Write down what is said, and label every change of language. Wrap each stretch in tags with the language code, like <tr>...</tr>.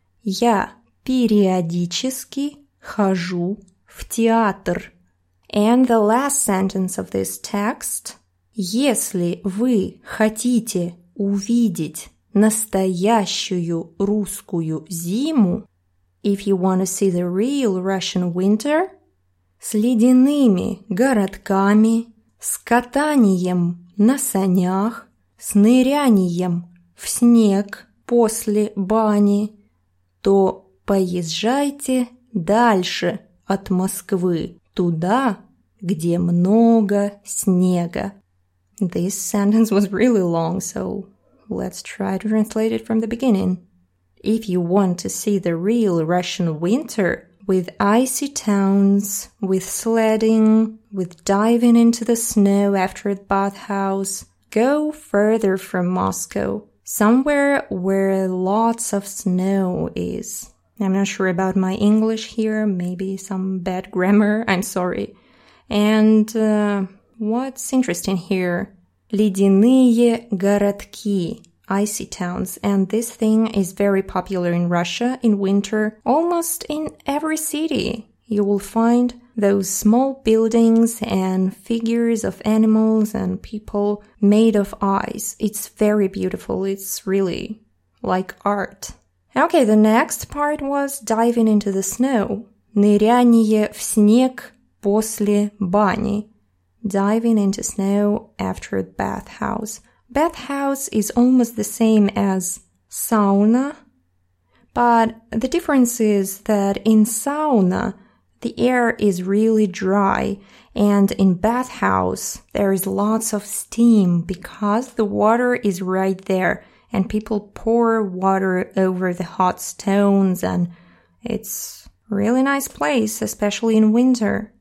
<ru>Я периодически хожу в театр.</ru> <en>And the last sentence of this text.</en> <ru>Если вы хотите увидеть настоящую русскую зиму,</ru> <en>if you want to see the real Russian winter,</en> <ru>с ледяными городками, с катанием на санях, с нырянием в снег после бани, то поезжайте дальше от Москвы, туда, где много снега.</ru> <en>This sentence was really long, so let's try to translate it from the beginning. If you want to see the real Russian winter, with icy towns, with sledding, with diving into the snow after the bathhouse, go further from Moscow, somewhere where lots of snow is. I'm not sure about my English here, maybe some bad grammar, I'm sorry. And what's interesting here?</en> <ru>Ледяные городки,</ru> <en>icy towns. And this thing is very popular in Russia in winter. Almost in every city, you will find those small buildings and figures of animals and people made of ice. It's very beautiful. It's really like art. Okay, the next part was diving into the snow.</en> <ru>Ныряние в снег после бани.</ru> <en>Diving into snow after a bathhouse. Bathhouse is almost the same as sauna, but the difference is that in sauna, the air is really dry, and in bathhouse, there is lots of steam because the water is right there, and people pour water over the hot stones, and it's a really nice place, especially in winter.</en>